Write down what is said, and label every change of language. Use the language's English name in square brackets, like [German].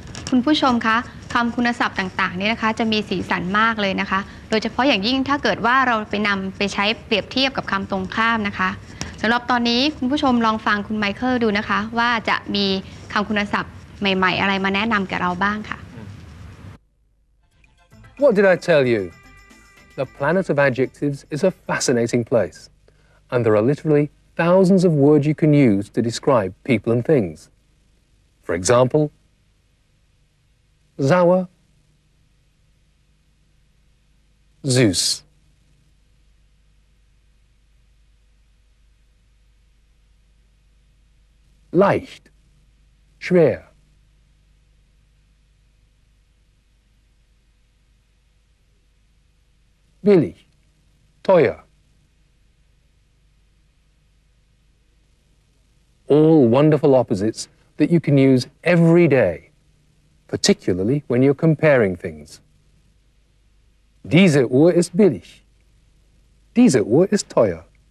[Thai] คุณผู้ชมคะคำคุณศัพท์ต่างๆนี่นะคะจะมีสีสันมากเลยนะคะโดยเฉพาะอย่างยิ่งถ้าเกิดว่าเราไปนำไปใช้เปรียบเทียบกับคำตรงข้ามนะคะสำหรับตอนนี้คุณผู้ชมลองฟังคุณไมเคิลดูนะคะว่าจะมีคำคุณศัพท์ใหม่ๆอะไรมาแนะนำกับเราบ้างค่ะ [English] What did I tell you? The planet of adjectives is a fascinating place, and there are literally thousands of words you can use to describe people and things. For example, [German] Zawa, Zeus, Leicht. Schwer. Billig. Teuer. [English] All wonderful opposites that you can use every day, particularly when you're comparing things. [German] Diese Uhr ist billig. Diese Uhr ist teuer.